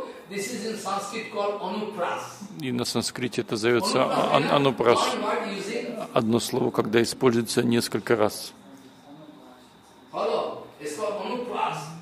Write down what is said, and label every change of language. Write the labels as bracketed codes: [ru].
[en] This is in Sanskrit called Anupras. [ru] И на санскрите это зовется Anupras. Одно слово, когда используется несколько раз. [en] Hello, it's called Anupras.